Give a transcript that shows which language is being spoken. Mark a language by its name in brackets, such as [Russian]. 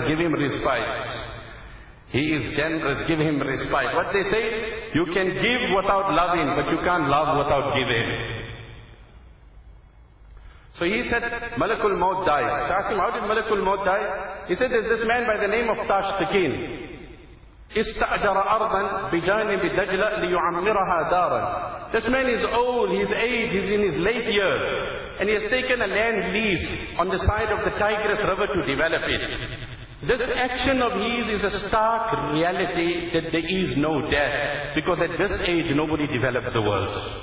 [English] Give him respite. He is generous. Give him respite. What they say? You can give without loving, but you can't love without giving. So he said, Malakul Maut died. I asked him, how did Malakul Maut die? He said, there's this man by the name of Tash Tikin. [Arabic] استأجر أرضا بجانب دجلة ليعمرها دارا. [English] This man is old, his age, he's in his late years, and he has taken a land lease on the side of the Tigris River to develop it. This action of his is a stark reality that there is no death, because at this age nobody develops the world.